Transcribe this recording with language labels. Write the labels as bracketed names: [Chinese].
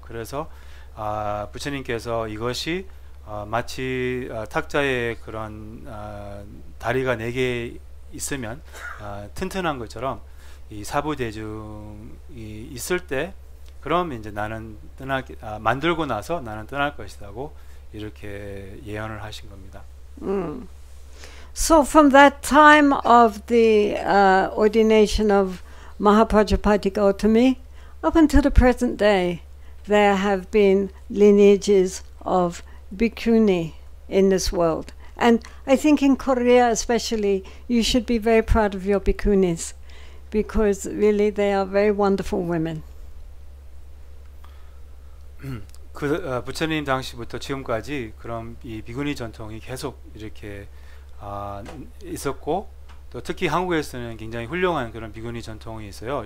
[Korean] 그래서 부처님께서 이것이 마치 탁자의 그런 다리가 네 개 있으면 튼튼한 것처럼 이 사부 대중이 있을 때 그럼 이제 나는 만들고 나서 나는 떠날 것이라고 이렇게 예언을 하신 겁니다. [English] So from that time of the ordination of Mahaprajapati Gautami up until the present day, there have been lineages of bhikkhuni in this world. And I think in Korea especially, you should be very proud of your bhikkhunis because really they are very wonderful women. [Korean] 그 부처님 당시부터 지금까지 그런 이 비구니 전통이 계속 이렇게 있었고 또 특히 한국에서는 굉장히 훌륭한 그런 비구니 전통이 있어요.